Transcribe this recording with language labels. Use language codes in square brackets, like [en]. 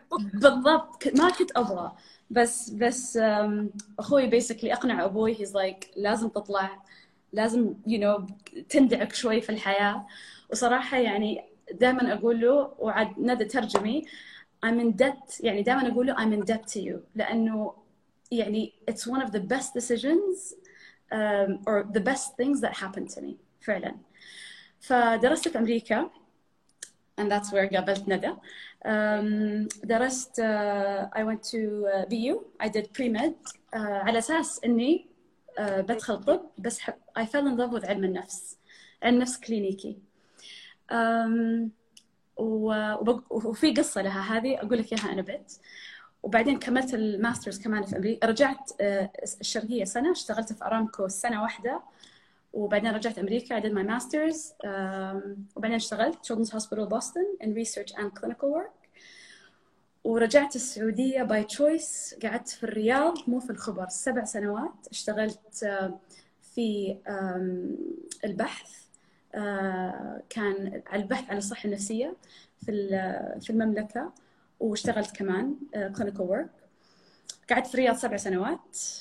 [ar] بالضبط ما كنت ابغى بس اخوي بيسكلي اقنع ابوي [en] he's like [ar] لازم تطلع لازم [en] you know [ar] تندعك شوي في الحياه وصراحه يعني دائما اقول له وعد ندى ترجمي [en] I'm in debt. [ar] يعني دائما أقوله [en] I'm in debt to you. [ar] لأنه يعني [en] it's one of the best decisions or the best things that happened to me. [ar] فعلاً. فدرست في أمريكا [en] and that's where [ar] قابلت ندى. درست [en] I went to BU. I did pre-med [ar] على أساس إني بدخل طب بس [en] I fell in love with [ar] علم النفس. علم النفس كلينيكي. وفي قصة لها هذه أقول لك إياها أنا بيت وبعدين كملت الماسترز كمان في أمريكا رجعت الشرقية سنة اشتغلت في أرامكو سنة واحدة وبعدين [en] رجعت أمريكا. I did my master's. [ar] وبعدين اشتغلت [en] Children's Hospital Boston in research and clinical work. [ar] ورجعت السعودية [en] by choice. [ar] قعدت في الرياض مو في الخبر 7 سنوات. اشتغلت في البحث. كان البحث عن الصحة النفسية في المملكة. واشتغلت كمان [en] clinical work. [ar] قعدت في الرياض 7 سنوات.